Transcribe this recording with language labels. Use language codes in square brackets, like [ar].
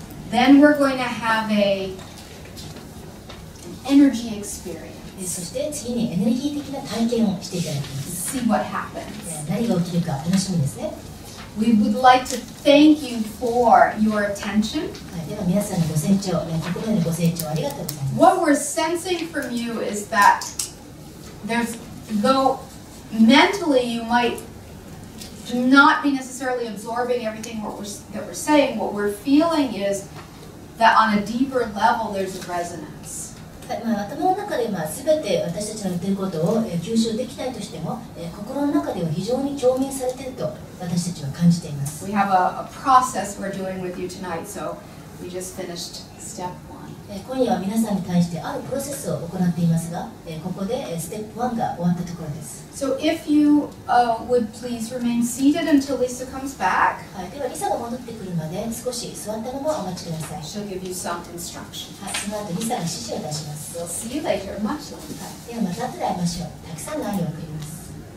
[en] Then we're going to have an energy experience. See what happens. We would like to thank you for your attention. [ja] では皆さんのご清聴、ここまでのご清聴ありがとうございます。 [en] What we're sensing from you is that there's though mentally you might not be necessarily absorbing everything that we're saying, what we're feeling is that on a deeper level there's a resonance. [ja] 頭の中では全て私たちの言っていることを吸収できないとしても、心の中では非常に共鳴されていると私たちは感じています。 [en] We have a process we're doing with you tonight, so... We just finished step one. [ja] 今夜は皆さんに対してあるプロセスを行っていますが、ここでステップ1が終わったところです。 [en] So if you would please remain seated until Lyssa comes back. [ja] はい、ではLyssaが戻ってくるまで少し座ったままお待ちください。 [en] She'll give you some instructions. [ja] はい、その後Lyssaが指示を出します。 [en] We'll see you later. Much love. [ja] ではまた後で会いましょう。たくさんの愛を送ります。